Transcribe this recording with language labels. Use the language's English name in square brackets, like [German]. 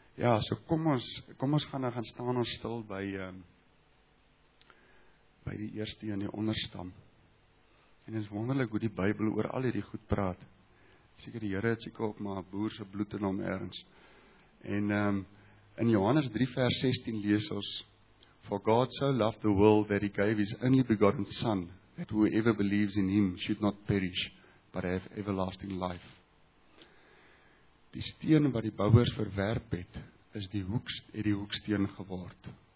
[Afrikaans] Kom ons gaan staan ons stil by die eerste en die onderstam. En het is wonderlik hoe die Bybel oor al hierdie goed praat. Seker die Here het seker op maar boerse bloed in hom ergens. En in Johannes 3 vers 16 lees ons, [English] For God so loved the world that he gave his only begotten son, that whoever believes in him should not perish, but have everlasting life. [Afrikaans] Die steen wat die bouwers verwerp het, is die hoeksteen geword.